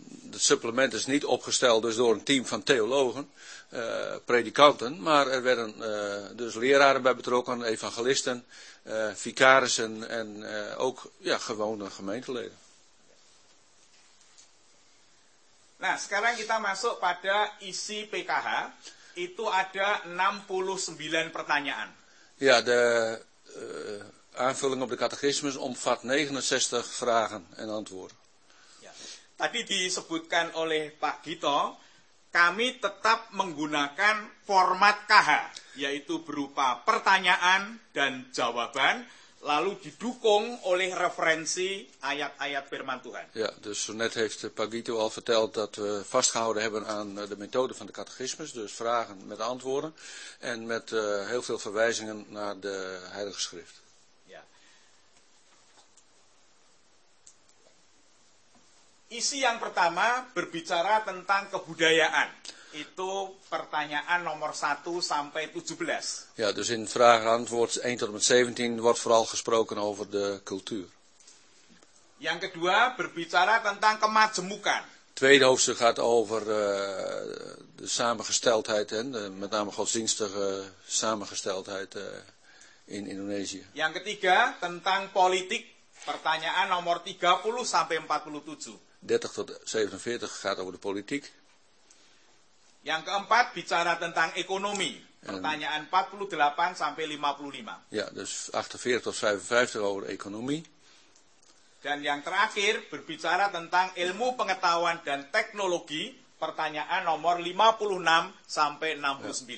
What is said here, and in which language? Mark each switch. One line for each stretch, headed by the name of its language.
Dutch: Het supplement is niet opgesteld dus door een team van theologen, predikanten, maar er werden dus leraren bij betrokken, evangelisten, vicarissen en ook ja, gewone gemeenteleden.
Indonesian: Nah, sekarang kita masuk pada isi PKH. Itu ada 69 pertanyaan.
Dutch: Ja, de aanvulling op de catechismus omvat 69 vragen en antwoorden. Ja.
Indonesian: Tadi disebutkan oleh Pak Gito, kami tetap menggunakan format KH, yaitu berupa pertanyaan dan jawaban, lalu didukung oleh referensi ayat-ayat firman Tuhan.
Dutch: Ja, dus net heeft Pak Gito al verteld dat we vastgehouden hebben aan de methode van de catechismus, dus vragen met antwoorden en met heel veel verwijzingen naar de Heilige Schrift. Ja.
Indonesian: Isi yang pertama berbicara tentang kebudayaan. Itu pertanyaan nomor 1 sampai 17.
Dutch: Ja, dus in vraag en antwoord 1 tot en met 17 wordt vooral gesproken over de cultuur.
Indonesian: Yang kedua berbicara tentang kemajemukan.
Dutch: Tweede hoofdstuk gaat over de samengesteldheid, hè, de, met name godsdienstige samengesteldheid in Indonesië.
Indonesian: Yang ketiga tentang politiek, pertanyaan nomor 30 sampai 47.
Dutch: 30 tot 47 gaat over de politiek.
Indonesian: Yang keempat bicara tentang ekonomi, pertanyaan 48 sampai 55.
Dutch: Ya, dus 48 tot 55 over ekonomi.
Indonesian: Dan yang terakhir berbicara tentang ilmu pengetahuan dan teknologi, pertanyaan nomor 56 sampai 69.